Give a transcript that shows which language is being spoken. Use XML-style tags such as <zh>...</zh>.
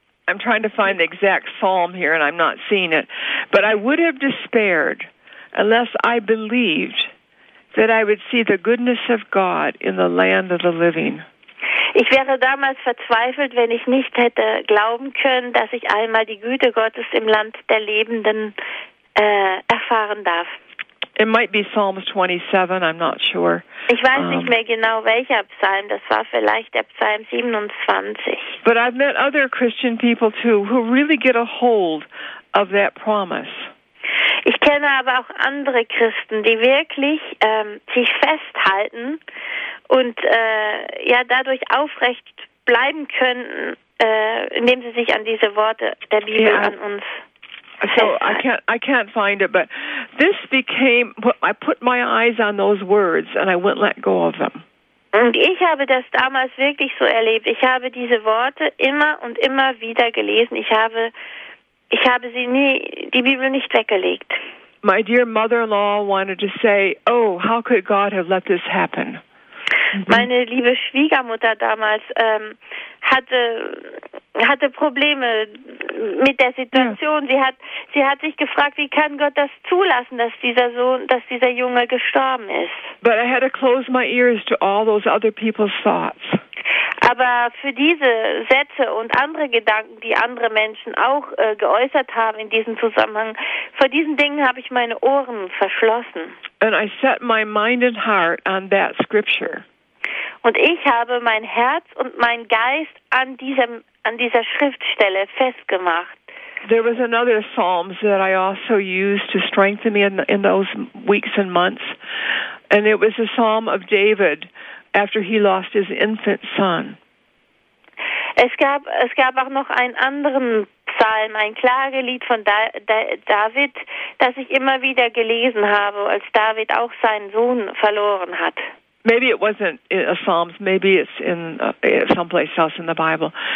<en>I'm trying to find the exact psalm here and I'm not seeing it. But I would have despaired unless I believed that I would see the goodness of God in the land of the living.</en> <de>Ich wäre damals verzweifelt, wenn ich nicht hätte glauben können, dass ich einmal die Güte Gottes im Land der Lebenden erfahren darf.</de> <en>It might be Psalms 27, I'm not sure.</en> <de>Ich weiß nicht mehr genau, welcher Psalm, das war vielleicht der Psalm 27.</de> <en>But I've met other Christian people too, who really get a hold of that promise.</en> <de>Ich kenne aber auch andere Christen, die wirklich sich festhalten und dadurch aufrecht bleiben können, indem sie sich an diese Worte der Bibel an uns festhalten.</de> <en>So I can't find it, but this became, I put my eyes on those words and I wouldn't let go of them.</en> <de>Und ich habe das damals wirklich so erlebt. Ich habe diese Worte immer und immer wieder gelesen. Ich habe sie nie, die Bibel nicht weggelegt.</de> <en>My dear mother-in-law wanted to say, oh, how could God have let this happen?</en> <de>Meine liebe Schwiegermutter damals hatte hatte Probleme mit der Situation. Ja. Sie hat sich gefragt, wie kann Gott das zulassen, dass dieser Sohn, dass dieser Junge gestorben ist.</de> <en>But I had to close my ears to all those other people's thoughts.</en> <de>Aber für diese Sätze und andere Gedanken, die andere Menschen auch geäußert haben in diesem Zusammenhang, vor diesen Dingen habe ich meine Ohren verschlossen.</de> <en>And I set my mind and heart on that scripture.</en> <de>Und ich habe mein Herz und mein Geist an dieser Schriftstelle festgemacht.</de> <en>There was another psalm that I also used to strengthen me in those weeks and months. And it was a psalm of David after he lost his infant son.</en> <de>Es gab auch noch einen anderen Psalm, ein Klagelied von David, das ich immer wieder gelesen habe, als David auch seinen Sohn verloren hat.</de> <en>Maybe it wasn't in a Psalms, maybe it's in someplace else in the Bible.</en>